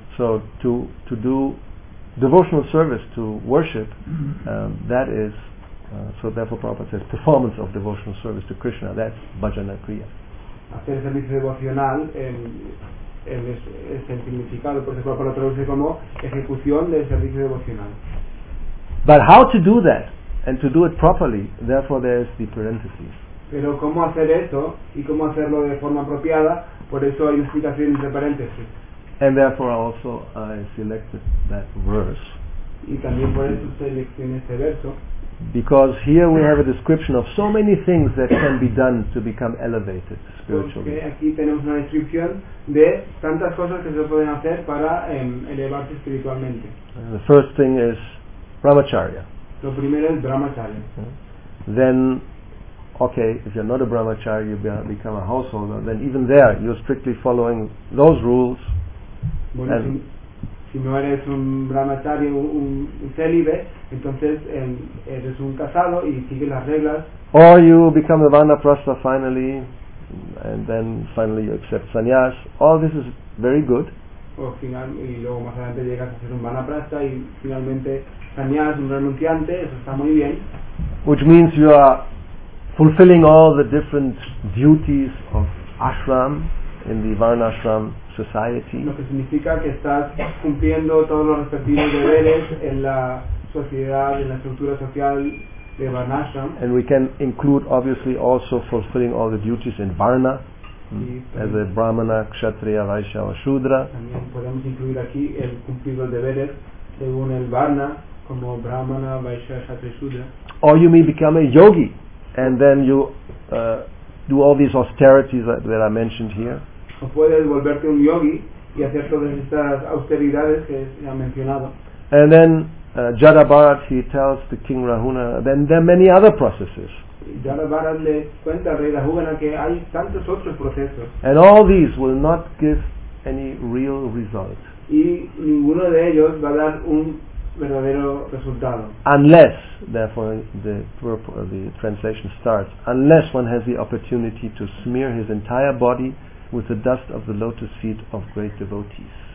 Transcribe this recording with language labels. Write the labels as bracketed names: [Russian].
[English] So to do devotional service, to worship, that is, so therefore Prabhupada says, performance of devotional service to Krishna, that's Bhajana Kriya. [Spanish] Hacer servicio devocional es el significado, por ejemplo, para traducir como ejecución del servicio devocional. [English] But how to do that, and to do it properly, therefore there's the parentheses. [Spanish] Pero cómo hacer esto, y cómo hacerlo de forma apropiada, por eso hay una explicación entre paréntesis. [English] And therefore also I selected that verse. [Spanish] Y también por eso seleccioné este verso. [English] Because here we have a description of so many things that can be done to become elevated spiritually. [Spanish] Porque aquí tenemos una descripción de tantas cosas que se pueden hacer para elevarse espiritualmente. [English] And the first thing is brahmacharya. [Spanish] Lo primero es brahmacharya. [English] Then, okay, if you're not a brahmacharya, you become a householder, then even there you're strictly following those rules. [Spanish] Bueno, and si no eres un brahmacharya, un célibe, entonces eres un casado y sigues las reglas. [English] Or you become a vanaprastha finally, and then finally you accept sannyas. All this is very good. [Spanish] Y luego más adelante llegas a ser un vanaprastha y finalmente sannyas, un renunciante, eso está muy bien. [English] Which means you are fulfilling all the different duties of ashram in the varnashram society. [Spanish] Lo que significa que estás cumpliendo todos los respectivos deberes en la sociedad, en la estructura social de varnashram. [English] And we can include obviously also fulfilling all the duties in varna, as a brahmana, kshatriya, vaishya or shudra. [Spanish] También podemos incluir aquí el cumplir los deberes según el varna, como brahmana, vaishya, kshatriya, shudra. [English] Or you may become a yogi and then you do all these austerities that I mentioned here. [Spanish] O puedes volverte un yogui y hacer todas estas austeridades que he mencionado. [English] And then Jada Bharat, he tells the King Rahuna, then there are many other processes. [Spanish] Jada Bharat le cuenta al Rey Rahuna que hay tantos otros procesos. [English] And all these will not give any real result. [Spanish] Y ninguno de ellos va a dar un verdadero resultado. [English] Unless, therefore, the translation starts, unless one has the opportunity to smear his entire body with the dust of the lotus feet of great devotees.